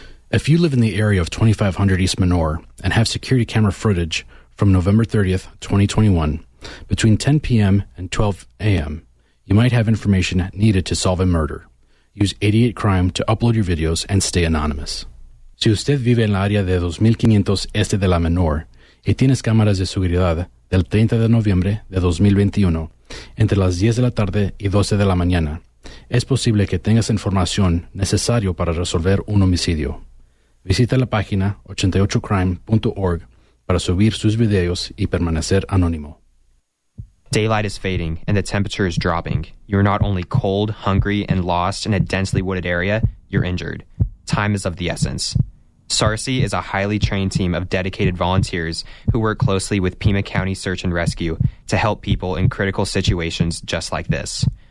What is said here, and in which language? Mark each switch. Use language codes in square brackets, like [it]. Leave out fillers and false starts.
[en] If you live in the area of 2500 East Manor and have security camera footage from November 30th, 2021, between 10 p.m. and 12 a.m., you might have information needed to solve a murder. Use 88 Crime to upload your videos and stay anonymous. [es] Si usted vive en la área de 2500 Este de la Menor y tienes cámaras de seguridad del 30 de noviembre de 2021 entre las 10 de la tarde y 12 de la mañana, es posible que tengas información necesaria para resolver un homicidio. Visita la página 88crime.org para subir sus videos y permanecer anónimo. [en] Daylight is fading and the temperature is dropping. You are not only cold, hungry, and lost in a densely wooded area, you're injured. Time is of the essence. SARCI is a highly trained team of dedicated volunteers who work closely with Pima County Search and Rescue to help people in critical situations just like this.